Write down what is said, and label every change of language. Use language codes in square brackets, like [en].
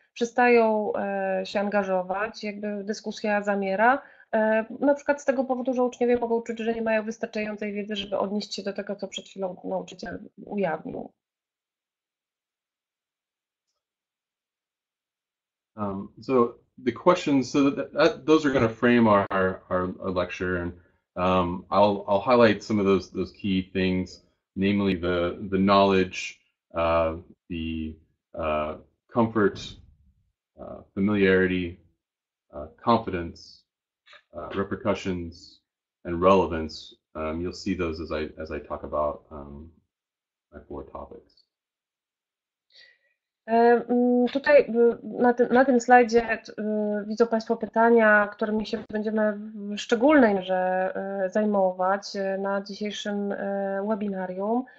[pl] przestają się angażować, jakby dyskusja zamiera. Na przykład z tego powodu, że uczniowie mogą czuć, że nie mają wystarczającej wiedzy, żeby odnieść się do tego, co przed chwilą nauczyciel ujawnił. [en] So the questions, so that those are going to frame our lecture, and I'll highlight some of those key things, namely the knowledge, the comfort, familiarity, confidence, repercussions, and relevance. You'll see those as I talk about my four topics. [pl] Tutaj na tym slajdzie widzą Państwo pytania, którymi się będziemy w szczególnej mierze zajmować na dzisiejszym webinarium.